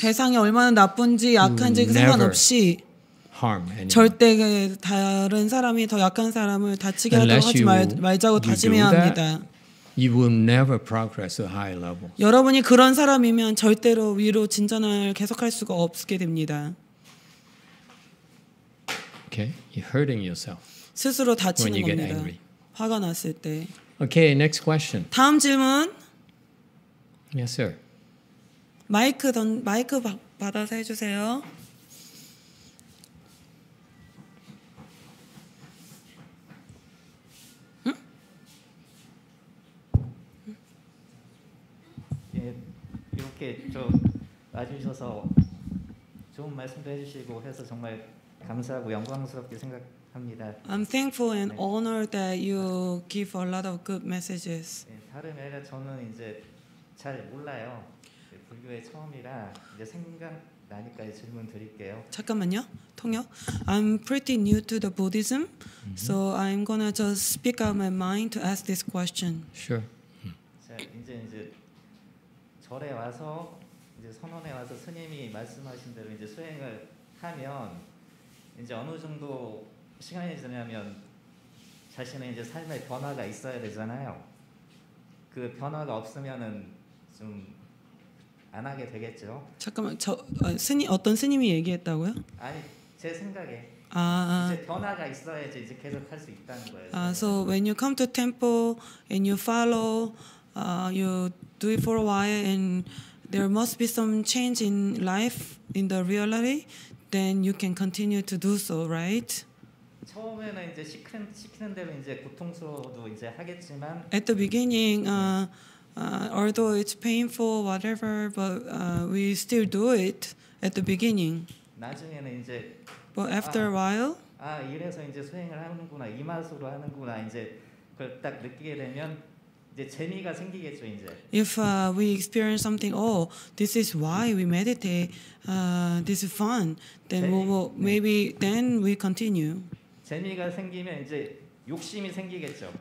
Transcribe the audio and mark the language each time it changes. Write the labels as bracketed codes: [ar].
[ko] 대상이 얼마나 나쁜지 약한지 상관없이 절대 다른 사람이 더 약한 사람을 다치게 [en] Unless [ko] 하도록 하지 말자고 다짐해야 합니다. [en] You will never progress to higher levels. [ko] 여러분이 그런 사람이면 절대로 위로 진전을 계속할 수가 없게 됩니다. [en] Okay, you're hurting yourself. [ko] 스스로 다치는 [en] when you [ko] 겁니다. [en] Get angry. [ko] 화가 났을 때. [en] Okay, next question. [ko] 다음 질문. [en] Yes, sir. [ko] 마이크 받아서 해주세요. 이렇게 와주셔서 좋은 말씀도 해주시고 해서 정말 감사하고 영광스럽게 생각합니다. [en] I'm thankful and [ko] 네. [en] honored that you give a lot of good messages. [ko] 네, 다른 애가 저는 이제 잘 몰라요. 불교에 처음이라 이제 생각나니까 질문 드릴게요. 잠깐만요. 통역. [en] I'm pretty new to the Buddhism. Mm-hmm. So I'm gonna just speak out my mind to ask this question. Sure. [ko] 자, 이제 절에 와서 이제 선원에 와서 스님이 말씀하신 대로 이제 수행을 하면 이제 어느 정도 시간이 지나면 자신의 이제 삶의 변화가 있어야 되잖아요. 그 변화가 없으면은 좀 안 하게 되겠죠. 잠깐만 어떤 스님이 얘기했다고요? 아니 제 생각에. 아, 이제 변화가 있어야지 계속 할 수 있다는 거예요. [en] 아, so when you come to temple and you follow, you do it for a while and there must be some change in life, in the reality, then you can continue to do so, right? [ko] 처음에는 이제 시키는 대로 이제 고통스러워도 이제 하겠지만 [en] At the beginning, although it's painful, whatever, but we still do it at the beginning. [ko] 나중에는 이제 [en] But after a while [ko] 아, 이래서 이제 수행을 하는구나, 이 맛으로 하는구나, 이제 그걸 딱 느끼게 되면 재미가 생기겠죠, 이제. [en] If we experience something, oh, this is why we meditate. This is fun. Then maybe then we continue. [ko] 재미가 생기면 이제 욕심이 생기겠죠.